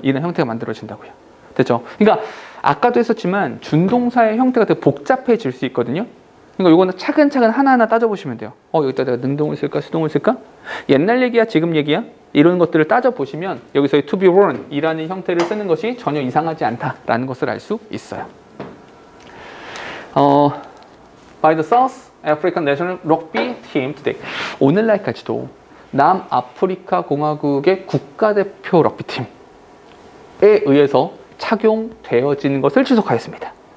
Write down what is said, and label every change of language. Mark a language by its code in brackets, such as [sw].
[ko] 이런 형태가 만들어진다고요. 됐죠? 그러니까 아까도 했었지만 준동사의 형태가 되게 복잡해질 수 있거든요. 그러니까 이거는 차근차근 하나하나 따져보시면 돼요. 여기다 내가 능동을 쓸까? 수동을 쓸까? 옛날 얘기야? 지금 얘기야? 이런 것들을 따져보시면 여기서의 to be worn 이라는 형태를 쓰는 것이 전혀 이상하지 않다라는 것을 알 수 있어요. [en] By the South African National Rugby Team today. [ko] 오늘날까지도 남아프리카 공화국의 국가대표 럭비팀에 의해서 착용되어지는 것을 지속하였습니다.